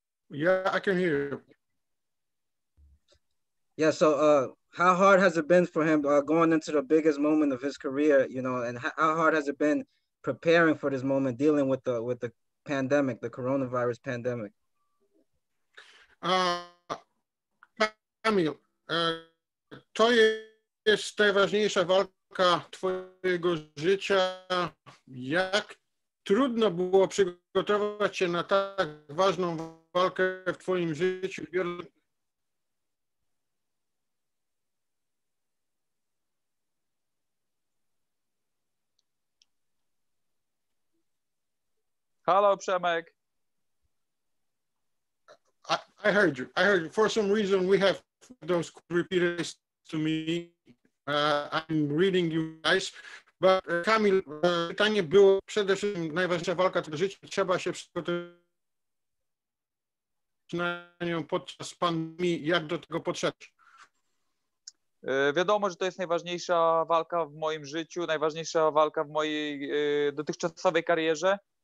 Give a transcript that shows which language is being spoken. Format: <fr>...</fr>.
<en>Yeah, I can hear you. Yeah, so how hard has it been for him going into the biggest moment of his career, you know, and how hard has it been preparing for this moment, dealing with the pandemic, the coronavirus pandemic?</en> <pl>Kamil, to jest najważniejsza walka twojego życia. Jak trudno było przygotować się na tak ważną walkę w twoim życiu?</pl> <en>Hello, Przemek. I heard you. For some reason, we have those repeaters to me. I'm reading you guys. But</en> <pl>Kamil, pytanie było przede wszystkim najważniejsza walka tego życia. Trzeba się przygotować na nią podczas pandemii. Jak do tego podszedł? Wiadomo, że to jest najważniejsza walka w moim życiu, najważniejsza walka w mojej dotychczasowej karierze.</pl>